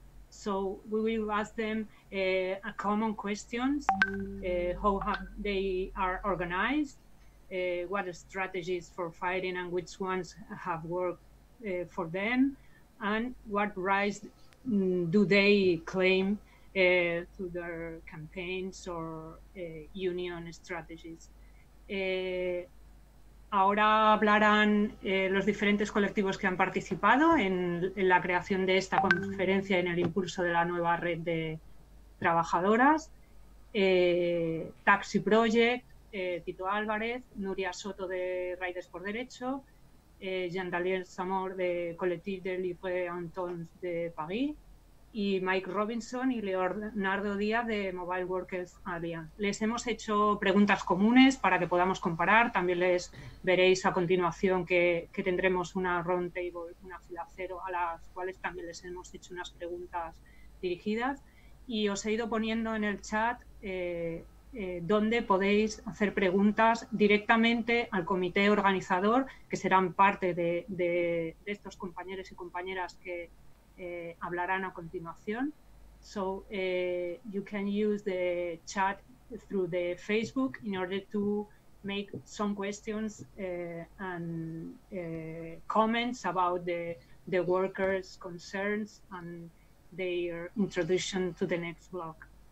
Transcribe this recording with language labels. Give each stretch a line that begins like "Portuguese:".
English: So we will ask them a common questions: how have they are organized, what are strategies for fighting, and which ones have worked for them, and what rights do they claim through their campaigns or union strategies.
Spanish: Ahora hablarán los diferentes colectivos que han participado en la creación de esta conferencia, en el impulso de la nueva red de trabajadoras. Taxi Project, Tito Álvarez, Nuria Soto de Riders por Derecho, Jean-Daniel Samor de Collectif de Libre Entente de Paris, y Mike Robinson y Leonardo Díaz de Mobile Workers Alliance. Les hemos hecho preguntas comunes para que podamos comparar. También les veréis a continuación que tendremos una round table, una fila cero, a las cuales también les hemos hecho unas preguntas dirigidas. Y os he ido poniendo en el chat dónde podéis hacer preguntas directamente al comité organizador, que serán parte de estos compañeros y compañeras que hablarán a continuación.
English: So you can use the chat through the Facebook in order to make some questions and comments about the workers' concerns and their introduction to the next block.